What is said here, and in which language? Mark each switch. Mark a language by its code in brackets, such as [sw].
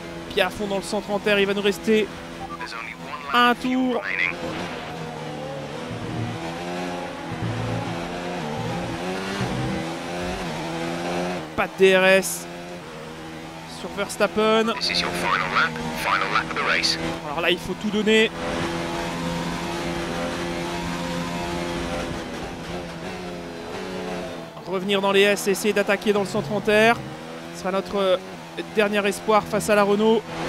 [fr] Pied à fond dans le centre en terre, il va nous rester un tour. Pas de DRS sur Verstappen. [en] This is your final lap of the race. [fr] Alors là, il faut tout donner. Revenir dans les S et essayer d'attaquer dans le centre en terre. Ce sera notre dernier espoir face à la Renault.